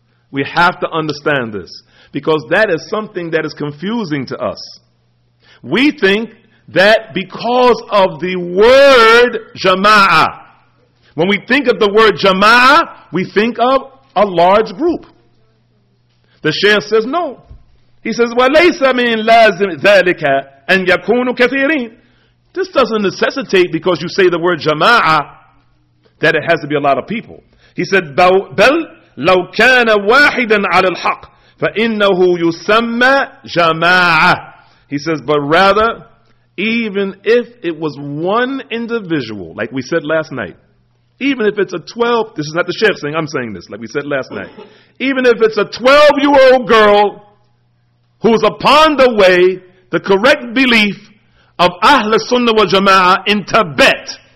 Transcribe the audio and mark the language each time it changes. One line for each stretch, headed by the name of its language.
English: We have to understand this. Because that is something that is confusing to us. We think that because of the word jama'ah, when we think of the word jama'ah, we think of a large group. The Shaykh says no. He says,
Arabic: وَلَيْسَ مِنْ لَازِمْ ذَلِكَ أَنْ يَكُونُ كَثِيرِينَ.
English: This doesn't necessitate, because you say the word jama'ah, that it has to be a lot of people. He said,
Arabic: بَلْ لَوْ كَانَ وَاحِدًا عَلَى الْحَقِّ فَإِنَّهُ يُسَمَّى جَمَاعَةً.
English: He says, but rather, even if it was one individual, like we said last night, even if it's a 12, this is not the Sheikh saying, I'm saying this, like we said last night, even if it's a 12-year-old girl who is upon the way, the correct belief of Ahl Sunnah wa Jama'ah in Tibet,